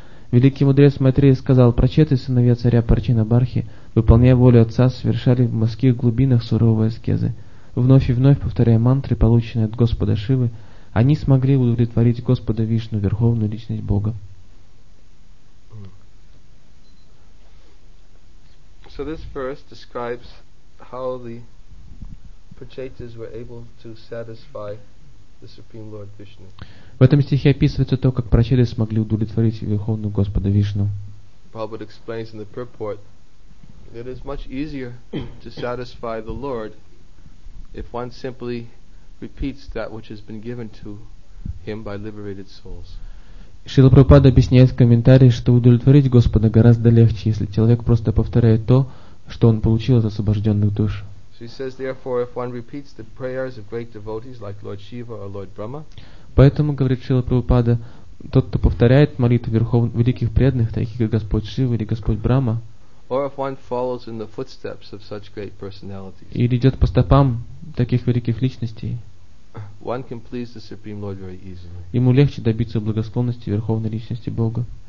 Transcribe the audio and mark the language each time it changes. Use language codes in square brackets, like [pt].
[ru] Великий мудрец Майтрея сказал: «Прачеты, сыновья царя Парчинабархи, выполняя волю отца, совершали в морских глубинах суровые аскезы. Вновь и вновь повторяя мантры, полученные от Господа Шивы, они смогли удовлетворить Господа Вишну, верховную личность Бога». [en] So this verse describes how the Prachetas were able to satisfy the Supreme Lord Vishnu. [ru] В этом стихе описывается то, как прачеты смогли удовлетворить Верховного Господа Вишну. [en] Prabhupada explains in the purport that it is much easier to satisfy the Lord if one simply repeats that which has been given to him by liberated souls. [ru] Шрила Прабхупада объясняет в комментарии, что удовлетворить Господа гораздо легче, если человек просто повторяет то, что он получил от освобожденных душ. [en] So he says, therefore, if one repeats the prayers of great devotees like Lord Shiva or Lord Brahma, [ru] поэтому, говорит Шрила Прабхупада, тот, кто повторяет молитвы верховных великих преданных, таких как Господь Шива или Господь Брама, или идет по стопам таких великих личностей, ему легче добиться благосклонности верховной личности Бога.